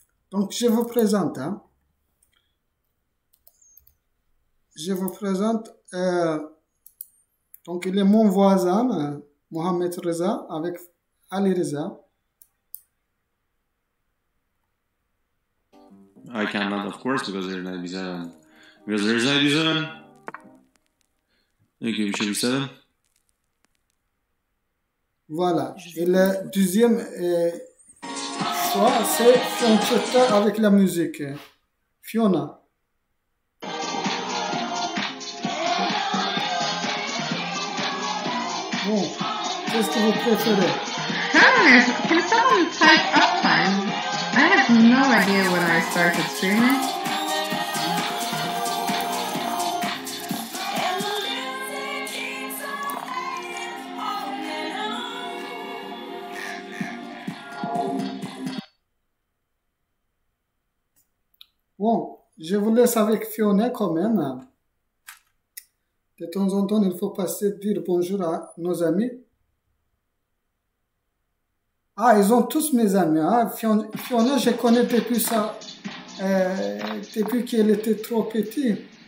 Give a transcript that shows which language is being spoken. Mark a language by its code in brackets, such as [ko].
[fr] Donc, je vous présente. Hein. Je vous présente. Donc, il est mon voisin, Mohamed Reza, avec Ali Reza. [en] I cannot, of course, because there's an IB7. Because there's an IB7! Thank you, Bishop E7. [fr] Voilà, et le deuxième choix, c'est Fiona avec la musique. Fiona. Bon, qu'est-ce que vous préférez? [en] Can someone type up time? I have no idea when I started streaming. [fr] Bon, je vous laisse avec Fiona quand même. De temps en temps, il faut passer dire bonjour à nos amis. Ah, ils ont tous mes amis. Hein. Fiona, je connais depuis ça, depuis qu'elle était trop petite.